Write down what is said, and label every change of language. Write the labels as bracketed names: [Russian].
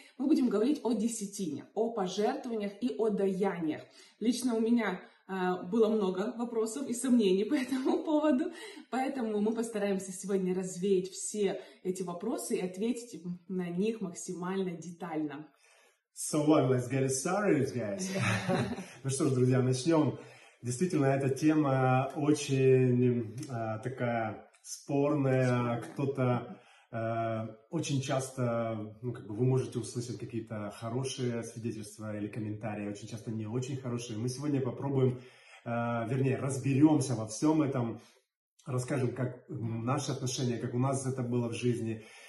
[Russian] Мы будем говорить о десятине, о пожертвованиях и о даяниях. Лично у меня было много вопросов и сомнений по этому поводу, поэтому мы постараемся сегодня развеять все эти вопросы и ответить на них максимально детально. [English] So what, let's get it started, guys! [Russian] Ну что ж, друзья, начнем. Действительно, эта тема очень такая спорная. Кто-то очень часто, ну, как бы вы можете услышать какие-то хорошие свидетельства или комментарии, очень часто не очень хорошие. Мы сегодня попробуем, вернее, разберемся во всем этом, расскажем, как наши отношения, как у нас это было в жизни.